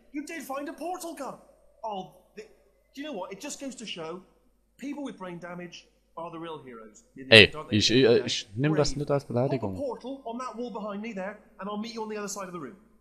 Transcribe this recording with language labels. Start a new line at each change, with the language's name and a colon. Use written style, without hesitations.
English: You did find a portal gun! Oh, the... Do you know what? It just goes to show, people with brain damage are the real heroes.
German: Ey, ich nehme das nicht als Beleidigung.
English: Hop a portal on that wall behind me there, and I'll meet you on the other side of the room.